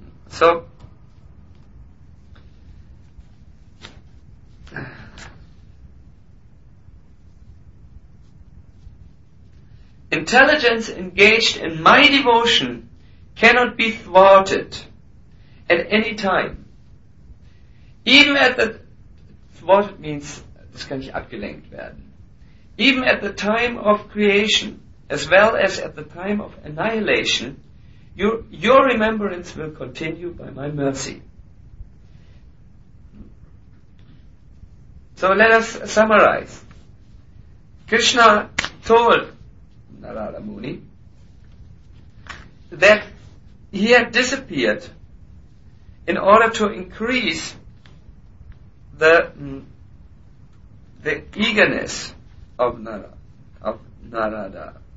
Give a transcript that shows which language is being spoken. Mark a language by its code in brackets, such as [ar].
[en] So, intelligence engaged in my devotion cannot be thwarted at any time. Even at the, thwarted means, [de] das kann nicht abgelenkt werden. [en] Even at the time of creation, as well as at the time of annihilation, your remembrance will continue by my mercy. So let us summarize. Krishna told Narada Muni that he had disappeared in order to increase the eagerness of Narada.